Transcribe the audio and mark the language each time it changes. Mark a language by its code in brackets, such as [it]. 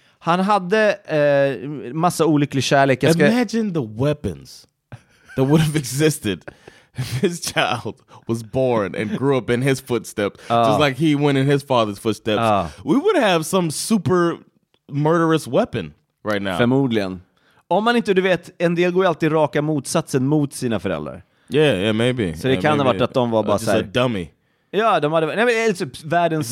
[sv] Han hade massa olycklig kärlek. Jag ska... [en] Imagine the weapons that would have existed if his child was born and grew up in his footsteps. Just like he went in his father's footsteps. We would have some super murderous weapon right now. [sv] Förmodligen. Om man inte, du vet, en del går alltid raka motsatsen mot sina föräldrar. [en] Yeah, maybe. [sv] Så det kan [en] maybe [sv] ha varit att de var bara [en] just [sv] så här... [en] a dummy. [sv] Ja, de hade... Nej, men det är typ världens